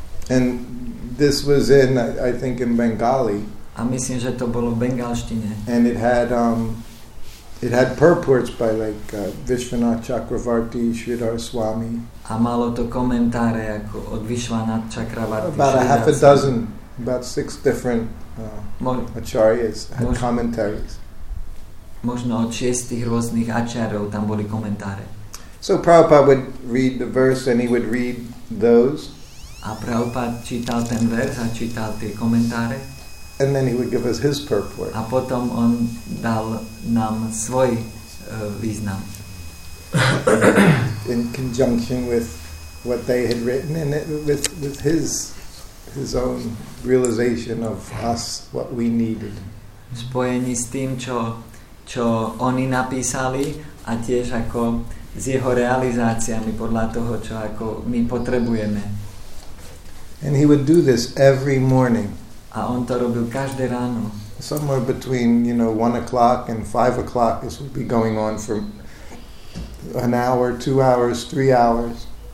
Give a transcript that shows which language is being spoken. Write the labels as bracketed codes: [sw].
[en] And this was in, I think, in Bengali. [sk] A myslím, že to bolo v bengalštine. [en] And it had purports by like Vishwanath Chakravarti, Sridhar Swami. [sk] A malo to komentáre ako od Vishwanath Chakravarti. [en] About a half a dozen, about six different acharyas had commentaries. [sk] Možno od šiestich rôznych acharyov tam boli komentáre. [en] So Prabhupada would read the verse and he would read those. [sk] A Prabhupada čítal ten vers a čítal tie komentáre. [en] And then he would give us his purport. [sk] A potom on dal nám svoj význam. [en] In conjunction with what they had written and with his own realization of us, what we needed. [sk] Spojení s tým, čo oni napísali, a tiež ako s jeho realizáciami podľa toho, čo ako my potrebujeme. [en] And he would do this every morning. [sk] A on to robil každé ráno. [en] Somewhere between, you know, 1 o'clock and 5 o'clock, this would be going on for an hour, 2 hours, 3 hours.